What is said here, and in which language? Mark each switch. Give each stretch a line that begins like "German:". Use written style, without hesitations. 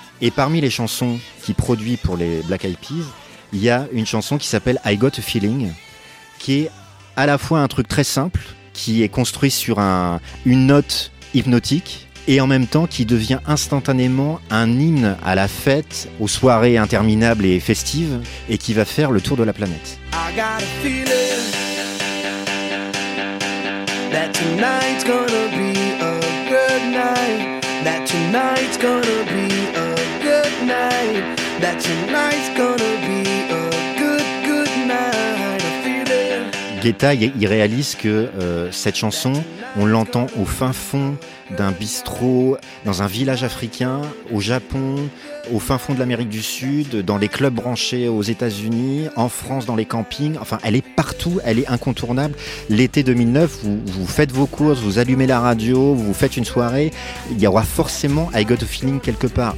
French: Et parmi les chansons qu'il produit pour les Black Eyed Peas, il y a une chanson qui s'appelle I Got a Feeling, qui est à la fois un truc très simple, qui est construit sur une note hypnotique, et en même temps qui devient instantanément un hymne à la fête, aux soirées interminables et festives, et qui va faire le tour de la planète.
English: I got a feeling that tonight's gonna be a good night, that tonight's gonna be a good night, that tonight's gonna be a good, good night. A feeling.
French: Guetta, il réalise que cette chanson, on l'entend au fin fond d'un bistrot, dans un village africain, au Japon, au fin fond de l'Amérique du Sud, dans les clubs branchés aux États-Unis, en France, dans les campings. Enfin, elle est partout, elle est incontournable. L'été 2009, vous faites vos courses, vous allumez la radio, vous faites une soirée, il y aura forcément I Got a Feeling quelque part.